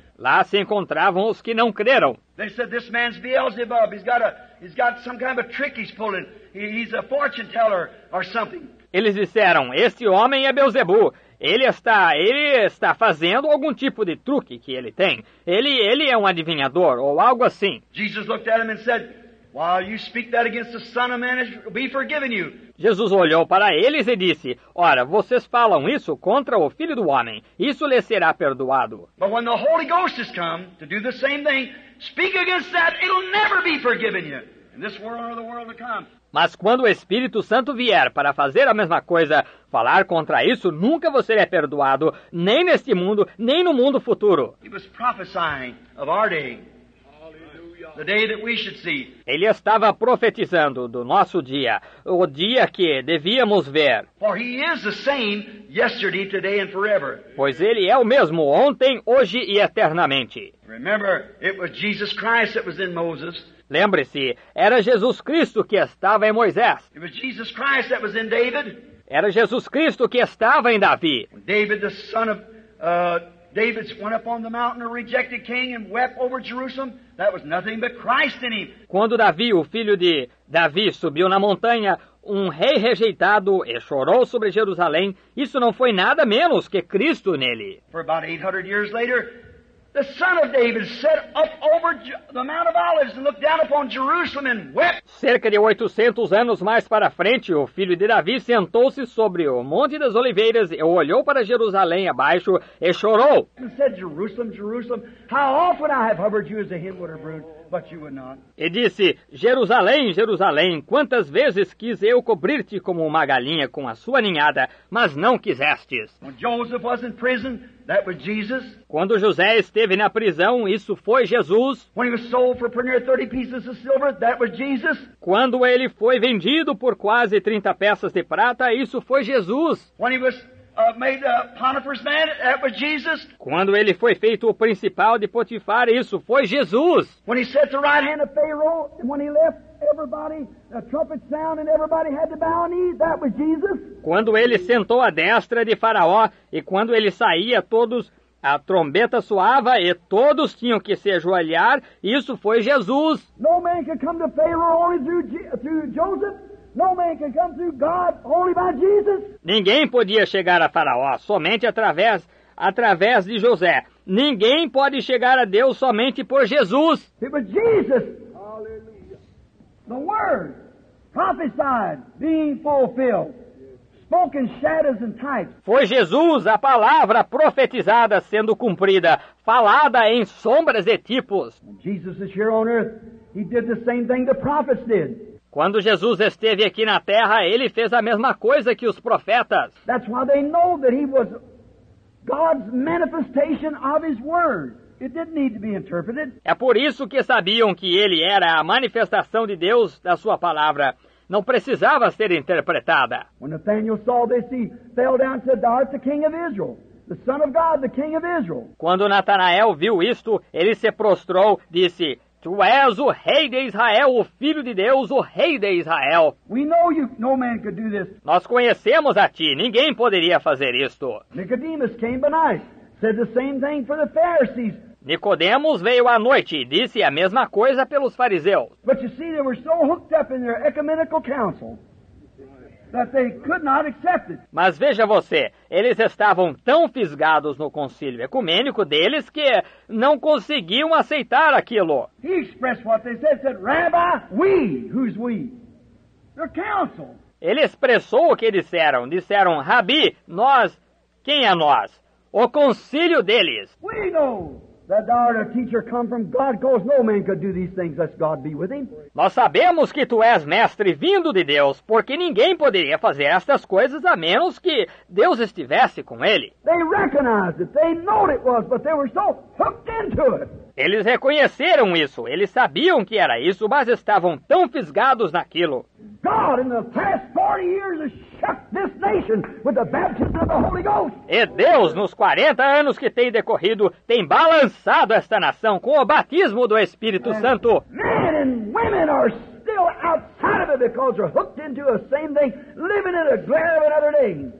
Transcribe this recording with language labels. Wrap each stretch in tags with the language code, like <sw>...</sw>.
<pt>Lá se encontravam os que não creram.</pt> <en>They said, this man's Beelzebub. He's got some kind of a trick he's pulling. He's a fortune teller or something.</en> <pt>Eles disseram, este homem é Beelzebu. Ele está fazendo algum tipo de truque que ele tem. Ele é um adivinhador ou algo assim.</pt> <en>Jesus looked at him and said, while you speak that against the Son of Man, it will be forgiven you.</en> <pt>Jesus olhou para eles e disse, ora, vocês falam isso contra o Filho do Homem. Isso lhe será perdoado.</pt> <en>But when the Holy Ghost has come to do the same thing, speak against that, it will never be forgiven you. In this world or the world to come.</en> <pt>Mas quando o Espírito Santo vier para fazer a mesma coisa, falar contra isso, nunca você é perdoado, nem neste mundo, nem no mundo futuro.</pt> <en>He was prophesying of our day. The day that we should see.</en> <pt>Ele estava profetizando do nosso dia, o dia que devíamos ver.</pt> <en>For he is the same yesterday, today and forever.</en> <pt>Pois ele é o mesmo ontem, hoje e eternamente.</pt> <en>Remember, it was Jesus Christ that was in Moses.</en> <pt>Lembre-se, era Jesus Cristo que estava em Moisés.</pt> <en>It was Jesus Christ that was in David.</en> <pt>Era Jesus Cristo que estava em Davi.</pt> <en>David, the son of David, went up on the mountain, a rejected king, and wept over Jerusalem. That was nothing but Christ in him.</en> <pt>Quando Davi, o filho de Davi, subiu na montanha, um rei rejeitado, e chorou sobre Jerusalém, isso não foi nada menos que Cristo nele.</pt> <en>For about 800 years later, the son of David sat up over the Mount of Olives and looked down upon Jerusalem and wept.</en> <pt>Cerca de 800 anos mais para frente, o filho de Davi sentou-se sobre o Monte das Oliveiras e olhou para Jerusalém abaixo e chorou.</pt> <en>He said, Jerusalem, Jerusalem, how often I have hovered you as a hen with her brood, but you would not.</en> <pt>E disse, Jerusalém, Jerusalém, quantas vezes quis eu cobrir-te como uma galinha com a sua ninhada, mas não quisestes.</pt> <en>When Joseph was in prison, that was Jesus.</en> <pt>Quando José esteve na prisão, isso foi Jesus.</pt> <en>When he was sold for near 30 pieces of silver, that was Jesus.</en> <pt>Quando ele foi vendido por quase 30 peças de prata, isso foi Jesus.</pt> <en>When he was made Potiphar's man, that was Jesus.</en> <pt>Quando ele foi feito o principal de Potifar, isso foi Jesus.</pt> <en>When he sat the right hand of Pharaoh, and when he left, everybody, the trumpet sound and everybody had to bow knee, that was Jesus.</en> <pt>Quando ele sentou à destra de Faraó, e quando ele saía, todos, a trombeta soava e todos tinham que se ajoelhar, isso foi Jesus.</pt> <en>No man can come to Pharaoh only through Joseph. No man can come through God only by Jesus.</en> <pt>Ninguém podia chegar a Faraó somente através de José. Ninguém pode chegar a Deus somente por Jesus.</pt> <en>It was Jesus. Hallelujah. The word prophesied being fulfilled. spoken shadows and types.</en> <pt>Foi Jesus, a palavra profetizada sendo cumprida, falada em sombras e tipos.</pt> <en>Jesus is here on earth. He did the same thing the prophets did.</en> <pt>Quando Jesus esteve aqui na terra, ele fez a mesma coisa que os profetas.</pt> <en>That's why they know that he was God's manifestation of his word. It didn't need to be interpreted.</en> <pt>É por isso que sabiam que ele era a manifestação de Deus da sua palavra. Não precisava ser interpretada.</pt> <en>When Nathanael saw this, he fell down and said, "Thou art the King of Israel, the Son of God, the King of Israel."</en> <pt>Quando Natanael viu isto, ele se prostrou, disse, "Tu és o Rei de Israel, o Filho de Deus, o Rei de Israel."</pt> <en>We know you, no man could do this.</en> <pt>Nós conhecemos a ti, ninguém poderia fazer isto.</pt> <en>Nicodemus came by night, said the same thing for the Pharisees.</en> <pt>Nicodemos veio à noite e disse a mesma coisa pelos fariseus.</pt> <en>But you see, they were so hooked up in their ecumenical council that they could not accept it.</en> <pt>Mas veja você, eles estavam tão fisgados no concílio ecumênico deles que não conseguiam aceitar aquilo.</pt> <en>He expressed what they said, said, "Rabbi, we, who's we? The council."</en> <pt>Ele expressou o que disseram. Disseram, "Rabi, nós, quem é nós? O concílio deles."</pt> <en>We know. That thou art a teacher come from God, because no man could do these things unless God be with him.</en> <pt>Nós sabemos que tu és mestre vindo de Deus, porque ninguém poderia fazer estas coisas a menos que Deus estivesse com ele.</pt> <en>They recognized it, they knew it was, but they were so hooked into it.</en> <pt>Eles reconheceram isso, eles sabiam que era isso, mas estavam tão fisgados naquilo.</pt> <en>God in the past 40 years has shook this nation with the baptism of the Holy Ghost.</en> <pt>E Deus, nos 40 anos que tem decorrido, tem balançado esta nação com o batismo do Espírito Santo.</pt> <en>Men and women are still outside of it because they're hooked into the same thing, living in the glare of another day.</en>